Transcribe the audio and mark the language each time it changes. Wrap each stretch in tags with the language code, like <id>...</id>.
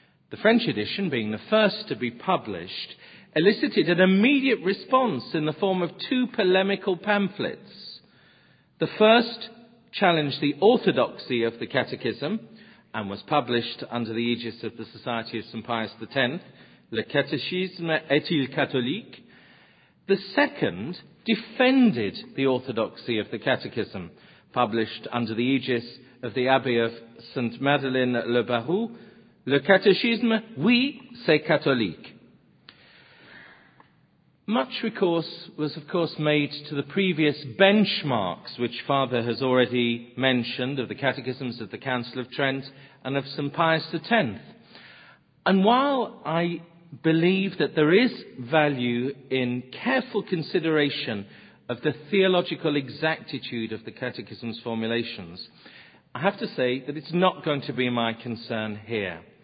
<en>The French edition, being the first to be published, elicited an immediate response in the form of two polemical pamphlets. The first challenged the orthodoxy of the Catechism and was published under the aegis of the Society of St.</en> <fr>Pius X, Le Catéchisme est-il catholique?</fr> <en>The second defended the orthodoxy of the Catechism, published under the aegis of the Abbey of St.</en> <fr>Madeleine le Barou, Le Catéchisme, oui, c'est catholique.</fr> <en>Much recourse was, of course, made to the previous benchmarks, which Father has already mentioned, of the catechisms of the Council of Trent and of St. Pius X. And while I believe that there is value in careful consideration of the theological exactitude of the catechism's formulations, I have to say that it's not going to be my concern here.</en>